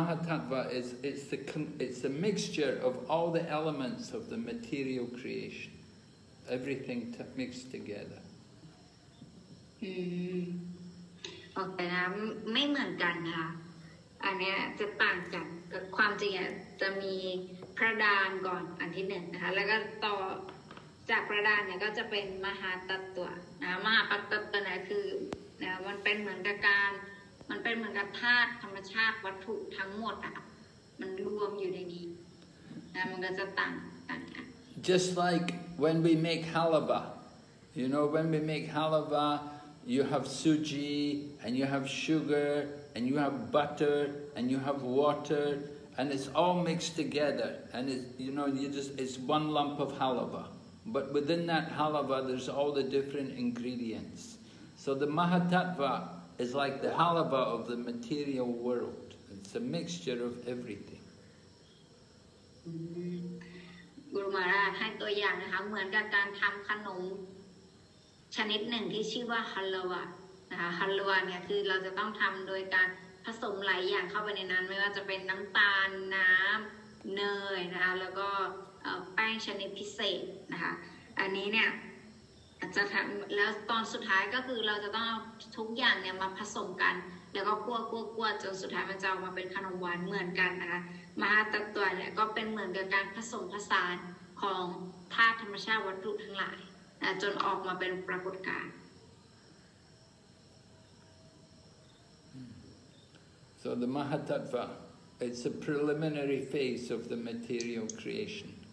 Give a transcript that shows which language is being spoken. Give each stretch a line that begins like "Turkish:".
English: It's a mixture of all the elements of the material creation. Everything mixed together.
Thai: Okay, ไม่เหมือนกันค่ะ อันนี้จะต่างกันความจริงจะมีพระดานก่อนอันที่หนึ่งนะคะแล้วก็ต่อจากพระดานเนี่ยก็จะเป็นมหาตัตวะนะมหาปัตตัตตนะคือนะมันเป็นเหมือนกับการมันเป็นเหมือนกับธาตุธรรมชาติวัตถุทั้งหมดอ่ะมันรวมอยู่ในนี้นะมันก็จะต่างกัน
English: just like when we make halwa, you know, when we make halwa you have suji and you have sugar and you have butter and you have water and it's all mixed together, and it's, you know, you just, it's one lump of halwa, but within that halwa there's all the different ingredients. So the Mahatattva is like the halwa of the material world. It's a mixture of everything. Mm-hmm.
Thai: Guru Maharaj ให้ตัวอย่างนะคะเหมือนกับการทำขนมชนิดหนึ่งที่ชื่อว่าฮัลโลวานะคะฮัลโลวาเนี่ยคือเราจะต้องทำโดยการผสมหลายอย่างเข้าไปในนั้นไม่ว่าจะเป็นน้ำตาลน้ำเนยนะคะแล้วก็แป้งชนิดพิเศษนะคะอันนี้เนี่ย จะทำแล้วตอนสุดท้ายก็คือเราจะต้องเอาทุกอย่างเนี่ยมาผสมกันแล้วก็คั่วจนสุดท้ายมันจะออกมาเป็นขนมหวานเหมือนกันนะคะมหาตัตวะเนี่ยก็เป็นเหมือนกับการผสมผสานของธาตุธรรมชาติวัตถุทั้งหลายนะจนออกมาเป็นปรากฏการณ์
English: so the mahatattva it's a preliminary phase of the material creation